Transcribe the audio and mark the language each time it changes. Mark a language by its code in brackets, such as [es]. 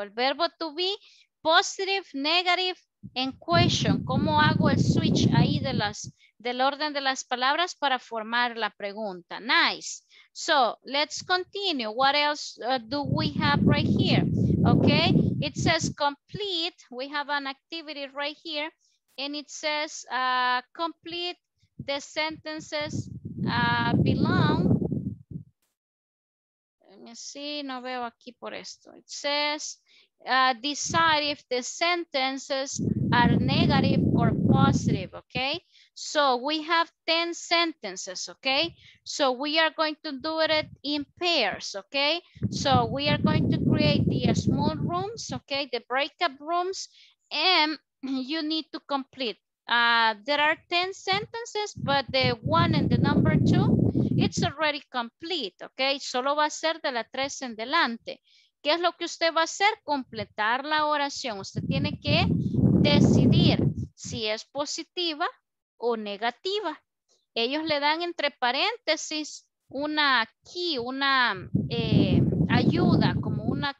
[es] El verbo to be, [en] positive, negative, and question. [es] ¿Cómo hago el switch ahí de las... del orden de las palabras para formar la pregunta. [en] Nice. So, let's continue. What else do we have right here? Okay, it says complete. We have an activity right here. And it says complete the sentences belong. [es] Let me see, no veo aquí por esto. [en] It says decide if the sentences are negative or positive, okay? So we have 10 sentences, okay? So we are going to do it in pairs, okay? So we are going to create the small rooms, okay? The breakup rooms, and you need to complete. There are 10 sentences, but the one and the number two, it's already complete, okay? [es] Solo va a ser de la tres en delante. ¿Qué es lo que usted va a hacer? Completar la oración. Usted tiene que decidir si es positiva o negativa. Ellos le dan entre paréntesis una key, una ayuda, como una